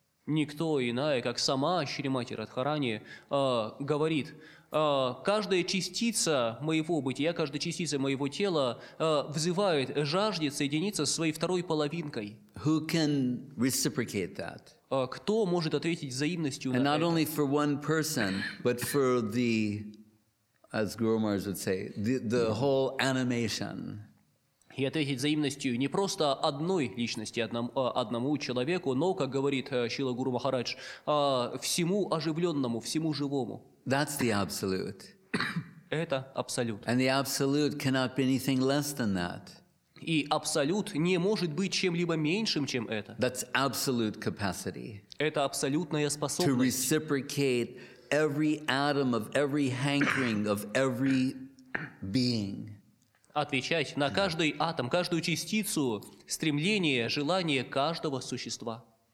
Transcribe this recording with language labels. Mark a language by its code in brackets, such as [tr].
[ru] Никто иная, как сама Шримати Радхарани, говорит, каждая частица моего бытия, каждая частица моего тела взывает, жаждет соединиться со своей второй половинкой. [en] Who can reciprocate that? [ru] Кто может ответить взаимностью на это? [en] And not only for one person, but for the, as Guru Maharaj would say, the whole animation. [ru] И ответить взаимностью не просто одной личности, одному человеку, но, как говорит Шрила Гуру Махарадж, всему оживленному, всему живому. [en] That's the absolute. [ru] Это абсолют. [en] And the absolute cannot be anything less than that. [ru] И абсолют не может быть чем-либо меньшим, чем это. [en] That's absolute capacity. [ru] Это абсолютная способность. [en] To reciprocate every atom of every hankering of every being. [ru] Отвечать на каждый атом, каждую частицу, стремление, желание каждого существа.